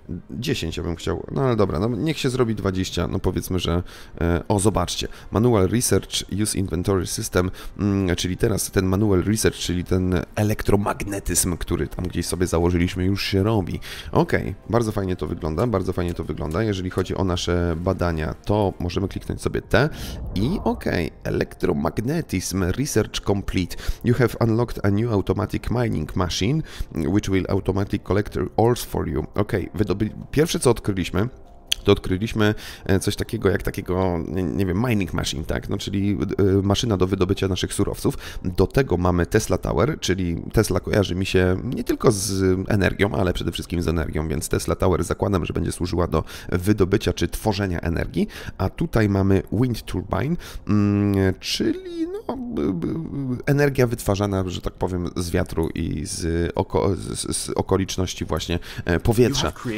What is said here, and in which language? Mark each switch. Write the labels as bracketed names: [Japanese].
[Polish] 10 ja bym chciał, no ale dobra, no niech się zrobi 20, no powiedzmy, że, o zobaczcie, Manual Research Use Inventory System, czyli teraz ten Manual Research, czyli ten elektromagnetyzm, który tam gdzieś sobie założyliśmy, już się robi. Okej, bardzo fajnie to wygląda, bardzo fajnie to wygląda. Jeżeli chodzi o nasze badania, to możemy kliknąć sobie T i okej, elektromagnetyzm, [English] research complete. You have unlocked a new automatic mining machine, which will automatic collect ores for you. [Polish] Okej, pierwsze co odkryliśmy, to odkryliśmy coś takiego jak takiego, nie wiem, mining machine, tak? No, czyli maszyna do wydobycia naszych surowców. Do tego mamy Tesla Tower, czyli Tesla kojarzy mi się nie tylko z energią, ale przede wszystkim z energią, więc Tesla Tower zakładam, że będzie służyła do wydobycia czy tworzenia energii, a tutaj mamy wind turbine, czyli no, energia wytwarzana, że tak powiem, z wiatru i z okoliczności właśnie powietrza.